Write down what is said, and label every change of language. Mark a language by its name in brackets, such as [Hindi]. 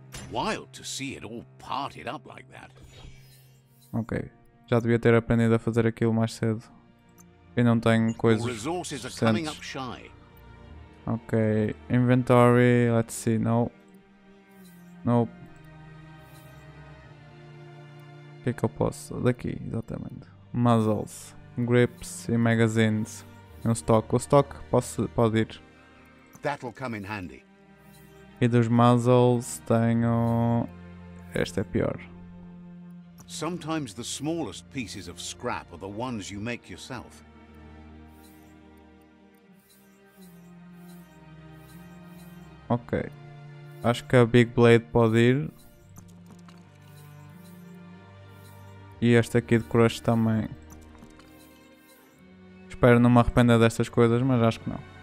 [English] Wild to see it all parted up like that. [Portuguese] Ok, já devia ter aprendido a fazer aquilo mais cedo. E não tenho coisas suficientes. Ok, [English] inventory, let's see, no. Nope. [Portuguese] O que é que eu posso? Daqui, exatamente. Muzzles, grips e magazines. Um stock. O stock pode ir. [English] That'll come in handy. [Portuguese] E dos muzzles tenho. Este é pior. [English] Sometimes the smallest pieces of scrap are the ones you make yourself. [Portuguese] Ok, acho que a Big Blade pode ir. E este aqui de Crush também. Espero não me arrepender destas coisas, mas acho que não.